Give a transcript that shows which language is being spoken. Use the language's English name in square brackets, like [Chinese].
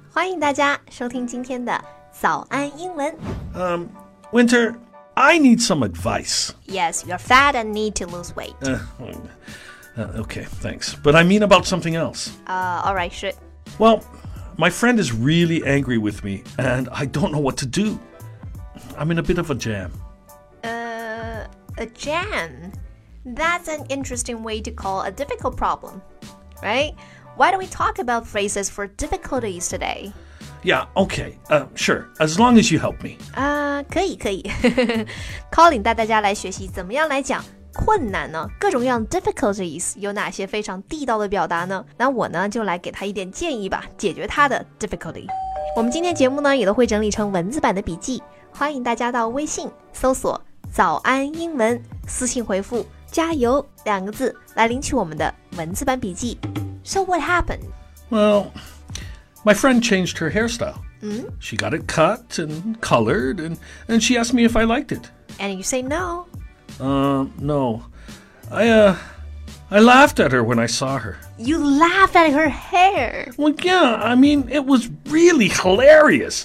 [Chinese] 欢迎大家收听今天的早安英文。 [English] Winter, I need some advice. Yes, you're fat and need to lose weight. Okay, thanks. But I mean about something else. All right, sure. Well, my friend is really angry with me, and I don't know what to do. I'm in a bit of a jam. A jam? That's an interesting way to call a difficult problem, right? Why don't we talk about phrases for difficulties today? Yeah, okay, sure, as long as you help me. [Chinese] 可以可以。Colin 带大家来学习怎么样来讲困难呢？各种各样 difficulties 有哪些非常地道的表达呢？那我呢就来给他一点建议吧，解决他的 difficulty。我们今天节目呢也都会整理成文字版的笔记，欢迎大家到微信搜索“早安英文”，私信回复“加油”两个字来领取我们的文字版笔记。 [English] So what happened? Well, my friend changed her hairstyle.、嗯、 she got it cut and colored, and she asked me if I liked it. And you say no. No. I laughed at her when I saw her. You laughed at her hair? Well, yeah, I mean, it was really hilarious.